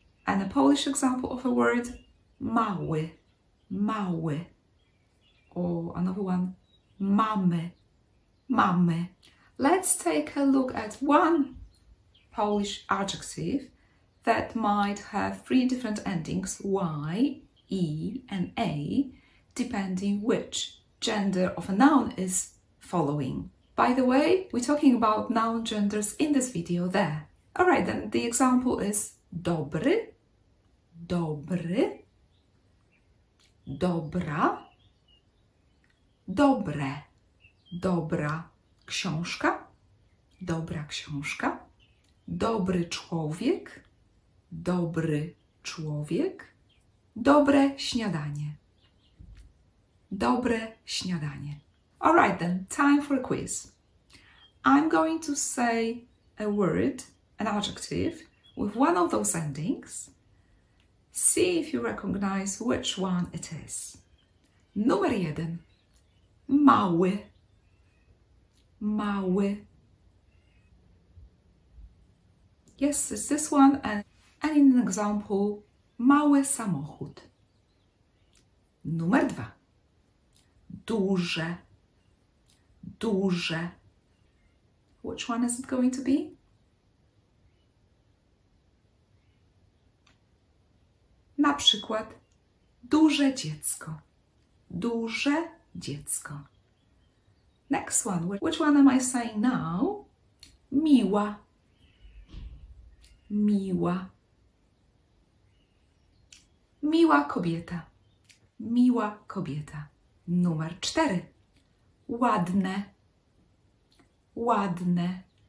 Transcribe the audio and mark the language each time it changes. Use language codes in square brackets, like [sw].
[en] And a Polish example of a word, [pl] mały, mały. [en] Or another one, [pl] mamy, mamy. [en] Let's take a look at one Polish adjective that might have three different endings, Y, E, and A, depending which gender of a noun is following. By the way, we're talking about noun genders in this video there. All right, then the example is dobry. [pl] Dobry, dobra, dobre, dobra książka, dobry człowiek, dobre śniadanie. [en] All right then, time for a quiz. I'm going to say a word, an adjective, with one of those endings. See if you recognize which one it is. [pl] Numer jeden. Mały. Mały. [en] Yes, it's this one. And in an example, [pl] mały samochód. Numer dwa. Duże. Duże. [en] Which one is it going to be? [pl] Na przykład, duże dziecko, duże dziecko. [en] Next one, which one am I saying now? [pl] Miła, miła, miła kobieta, miła kobieta. Numer cztery, ładne, ładne.